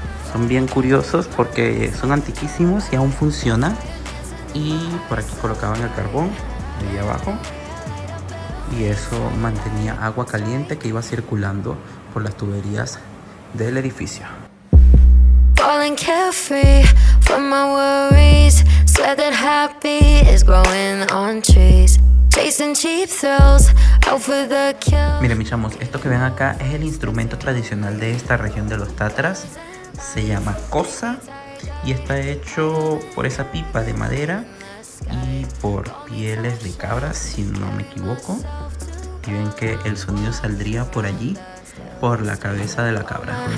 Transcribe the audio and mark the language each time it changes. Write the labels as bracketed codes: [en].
[es] Son bien curiosos porque son antiquísimos y aún funcionan. Y por aquí colocaban el carbón ahí abajo, y eso mantenía agua caliente que iba circulando por las tuberías del edificio. [en] Falling carefree from my worries, swear that happy is growing on trees, chasing cheap thrills, out for the kill. [es] Miren, mis chamos, esto que ven acá es el instrumento tradicional de esta región de los Tatras. Se llama cosa y está hecho por esa pipa de madera y por pieles de cabra, si no me equivoco. convirtió en que el sonido saldría por allí, por la cabeza de la cabra.